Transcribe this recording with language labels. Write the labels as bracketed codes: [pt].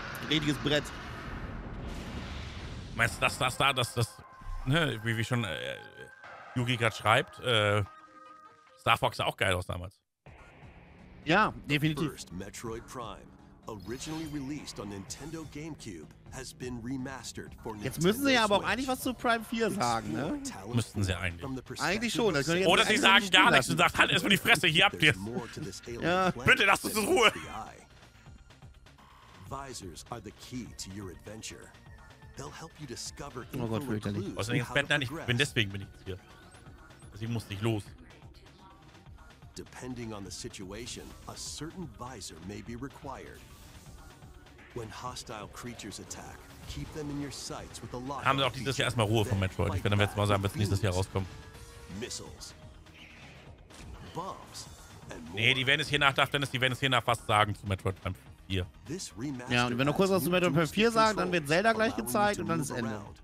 [de] Richtiges Brett. Meinst du, das, ne, wie schon Yugi gerade schreibt, Star Fox sah auch geil aus damals. Ja, definitiv. [en] First Metroid Prime. Originally released on Nintendo GameCube has been remastered for Nintendo. [de] Jetzt müssen sie ja aber auch eigentlich was zu Prime 4 sagen, ne? Müssten sie eigentlich. Eigentlich schon. Das jetzt oder sie sagen gar nichts und sagen, halt erstmal die Fresse, hier habt ihr. Ja. Bitte, lass uns in Ruhe. [en] Visors are the key to your adventure. They'll help you discover clues. [de] Oh Gott, ich bin deswegen bin ich hier. Also ich muss nicht los. [en] Depending on the situation, a certain visor may be required. When hostile creatures attack, keep them in your sights with a lock. [de] Haben wir auch dieses Jahr erstmal Ruhe vom Metroid. Ich werde jetzt mal sagen, wird es nächstes Jahr rauskommen. [en] Missiles, bombs, and more. [de] Nee, die werden es hier nach, Dennis, die werden es hier nach fast sagen zu Metroid Prime 4. Ja, und wenn du kurz was zu Metroid Prime 4 sagen, dann wird Zelda gleich gezeigt und dann ist Ende.